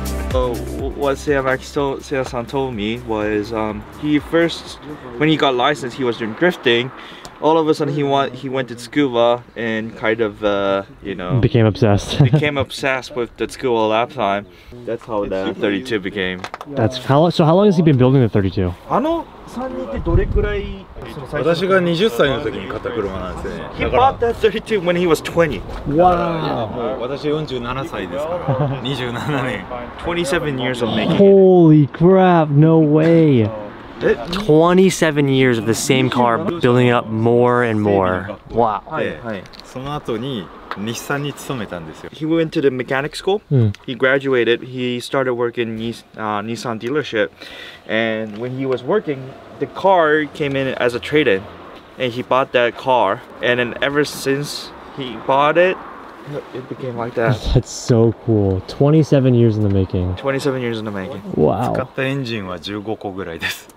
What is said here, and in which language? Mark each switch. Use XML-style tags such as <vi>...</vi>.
<en>So, what Seyamax-san told me was he first, when he got licensed, he was doing drifting. All of a sudden he went to Tsukuba and kind of, you know... Became obsessed. Became obsessed with the Tsukuba lap time. That's how the 32 became. That's, how long has he been building the 32?</en> <ja>あの3人ってどれくらい私が20歳の時に買った車なんですね。</ja> <en>He bought that 32 when he was 20. Wow!</en> <ja>私47歳ですから、27年。</ja> <en>27 years of making Holy crap, no way! 27 years of the same car building up more and more. Wow.</en> <ja>その後に日産に勤めたんですよ。</ja> <en>He went to the mechanic school. He graduated. He started working Nissan dealership. And when he was working, the car came in as a trade-in. And he bought that car. And then ever since he bought it, it became like that. That's so cool. 27 years in the making. 27 years in the making. Wow.</en> <ja>使ったエンジンは15個ぐらいです。</ja>